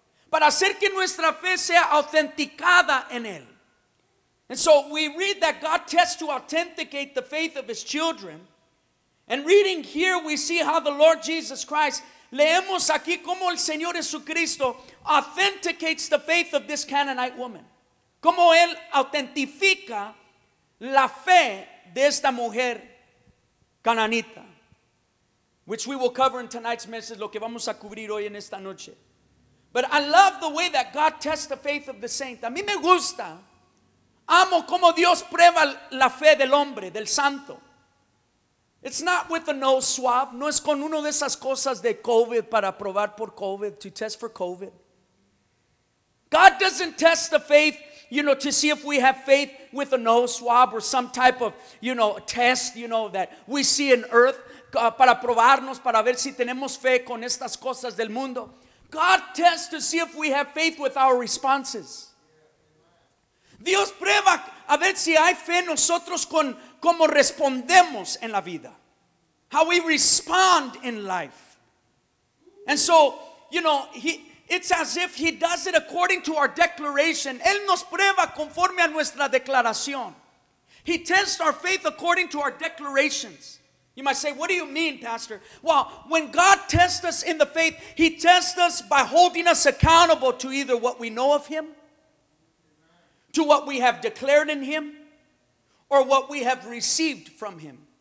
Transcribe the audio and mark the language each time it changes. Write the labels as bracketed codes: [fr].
[es] Para hacer que nuestra fe sea autenticada en Él. [en] And so we read that God tests to authenticate the faith of His children. And reading here, we see how the Lord Jesus Christ, [es] leemos aquí como el Señor Jesucristo [en] authenticates the faith of this Canaanite woman. [es] Como Él autentifica la fe de esta mujer cananita. [en] Which we will cover in tonight's message, [es] lo que vamos a cubrir hoy en esta noche. [en] But I love the way that God tests the faith of the saint. [es] A mí me gusta. Amo como Dios prueba la fe del hombre, del santo. [en] It's not with a nose swab. [es] No es con uno de esas cosas de COVID para probar por COVID, [en] to test for COVID. God doesn't test the faith, you know, to see if we have faith with a nose swab or some type of, you know, a test, you know, that we see in earth [es] para probarnos, para ver si tenemos fe con estas cosas del mundo. [en] God tests to see if we have faith with our responses. [es] Dios prueba a ver si hay fe en nosotros con cómo respondemos en la vida. [en] How we respond in life. And so, you know, it's as if He does it according to our declaration. [es] Él nos prueba conforme a nuestra declaración. [en] He tests our faith according to our declarations. You might say, what do you mean, Pastor? Well, when God tests us in the faith, He tests us by holding us accountable to either what we know of Him, to what we have declared in Him, or what we have received from Him.